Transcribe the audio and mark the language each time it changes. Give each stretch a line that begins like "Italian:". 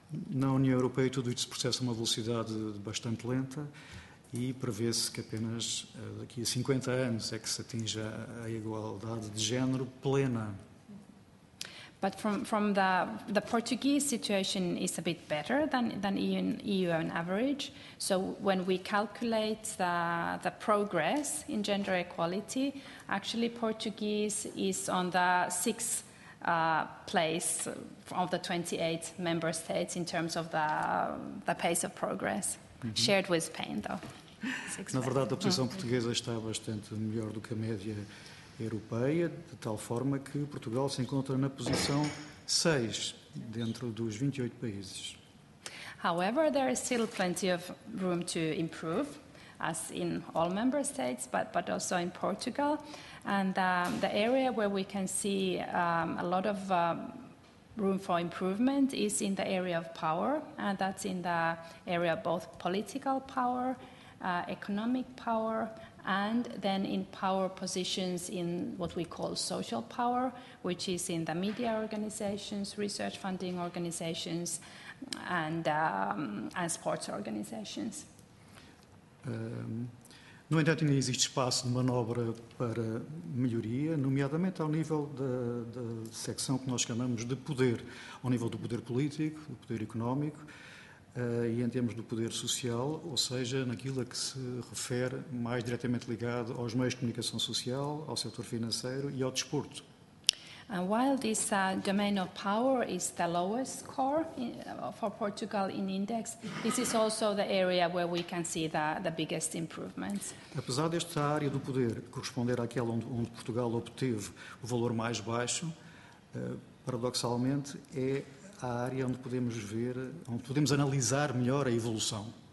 Portuguese: Na União Europeia, tudo isto se processa a uma velocidade bastante lenta e prevê-se que apenas daqui a 50 anos é que se atinja a igualdade de género plena.
English: But from the Portuguese situation is a bit better than EU on average. So when we calculate the progress in gender equality, actually Portuguese is on the sixth place of the 28 member states in terms of the pace of progress, mm-hmm. shared with Spain, though.
Portuguese: Na verdade, a posição portuguesa está bastante melhor do que a média europeia, de tal forma que Portugal se encontra na posição 6 dentro dos 28 países.
English: However, there is still plenty of room to improve, as in all member states, but also in Portugal. And the area where we can see a lot of room for improvement is in the area of power, and that's in the area of both political power, economic power, and then in power positions in what we call social power, which is in the media organizations, research funding organizations, and sports organizations.
Portuguese: No entanto, ainda existe espaço de manobra para melhoria, nomeadamente ao nível da secção que nós chamamos de poder, ao nível do poder político, do poder económico, e em termos do poder social, ou seja, naquilo a que se refere mais diretamente ligado aos meios de comunicação social, ao setor financeiro e ao desporto.
English: And while this domain of power is the lowest score for Portugal in index, this is also the area where we can see the biggest improvements.
Portuguese: Apesar desta área do poder corresponder àquela onde Portugal obteve o valor mais baixo, paradoxalmente é a área onde podemos analisar melhor a evolução.